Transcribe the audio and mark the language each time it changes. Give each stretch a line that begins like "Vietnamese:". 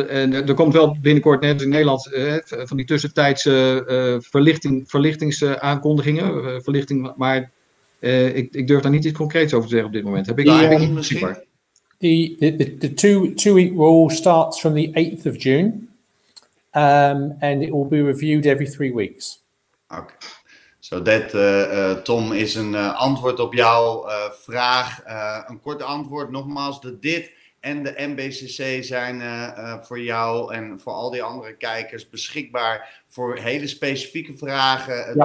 Dutch: Er komt wel binnenkort net in Nederland van die tussentijdse verlichtingsaankondigingen. Maar ik durf daar niet iets concreets over te zeggen op dit moment. Heb ik daar niet super.
English: The two-week rule starts from the 8th of June. And it will be reviewed every 3 weeks. Oké. Okay. So that,
Dutch: Tom, is een antwoord op jouw vraag. Een kort antwoord nogmaals, dit en de MBCC zijn voor jou en voor al die andere kijkers beschikbaar voor hele specifieke vragen. Ja.